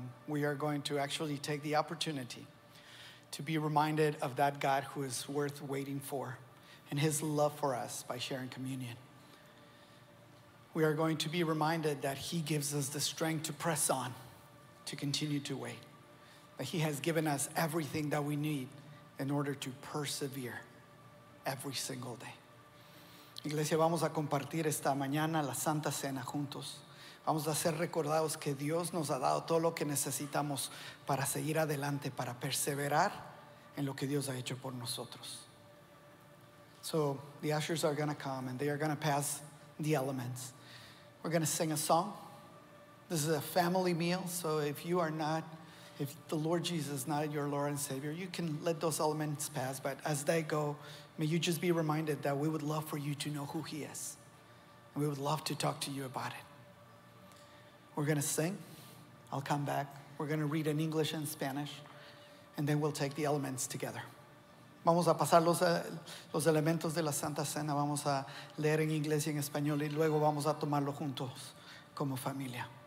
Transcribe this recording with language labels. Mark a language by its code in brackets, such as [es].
[en] We are going to actually take the opportunity to be reminded of that God who is worth waiting for and his love for us by sharing communion. We are going to be reminded that he gives us the strength to press on, to continue to wait. That he has given us everything that we need in order to persevere every single day. [es] Iglesia, vamos a compartir esta mañana la Santa Cena juntos. Vamos a ser recordados que Dios nos ha dado todo lo que necesitamos para seguir adelante, para perseverar en lo que Dios ha hecho por nosotros. [en] So the ushers are going to come and they are going to pass the elements. We're going to sing a song. This is a family meal, so if you are not, if the Lord Jesus is not your Lord and Savior, you can let those elements pass. But as they go, may you just be reminded that we would love for you to know who he is. And we would love to talk to you about it. We're going to sing. I'll come back. We're going to read in English and Spanish. And then we'll take the elements together. [es] Vamos a pasar los elementos de la Santa Cena. Vamos a leer en inglés y en español. Y luego vamos a tomarlo juntos como familia.